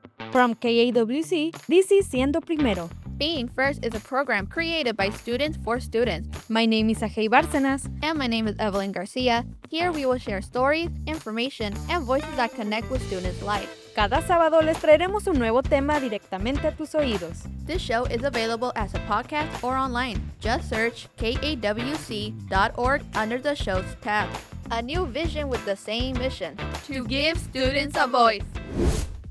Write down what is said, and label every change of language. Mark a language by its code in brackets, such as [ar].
[en] From KAWC, this is Siendo Primero. Being First is a program created by students for students. My name is Ajay Bárcenas. And my name is Evelyn Garcia. Here we will share stories, information, and voices that connect with students' life. [es] Cada sábado les traeremos un nuevo tema directamente a tus oídos. [en] This show is available as a podcast or online. Just search kawc.org under the Shows tab. A new vision with the same mission. To give students a voice.